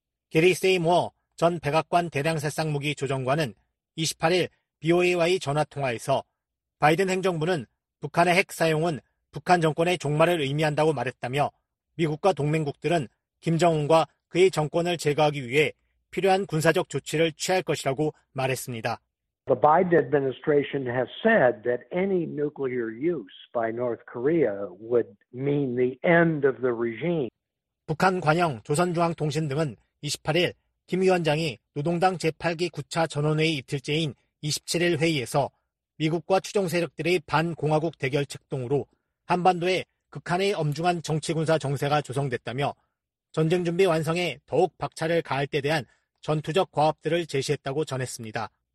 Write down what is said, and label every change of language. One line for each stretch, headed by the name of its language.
Korean: 게리 세이모어 전 백악관 대량살상무기 조정관은 28일 BOA와의 전화통화에서 바이든 행정부는 북한의 핵 사용은 북한 정권의 종말을 의미한다고 말했다며 미국과 동맹국들은 김정은과 그의 정권을 제거하기 위해 필요한 군사적 조치를 취할 것이라고 말했습니다.
English: The Biden administration has said that any nuclear use by North Korea would mean the end of the regime.
Korean: 북한 관영, 조선중앙통신 등은 28일 김 위원장이 노동당 제8기 9차 전원회의 이틀째인 27일 회의에서 미국과 추종 세력들의 반공화국 대결 책동으로 한반도에 극한의 엄중한 정치군사 정세가 조성됐다며 전쟁 준비 완성에 더욱 박차를 가할 때 대한 전투적 과업들을 제시했다고 전했습니다.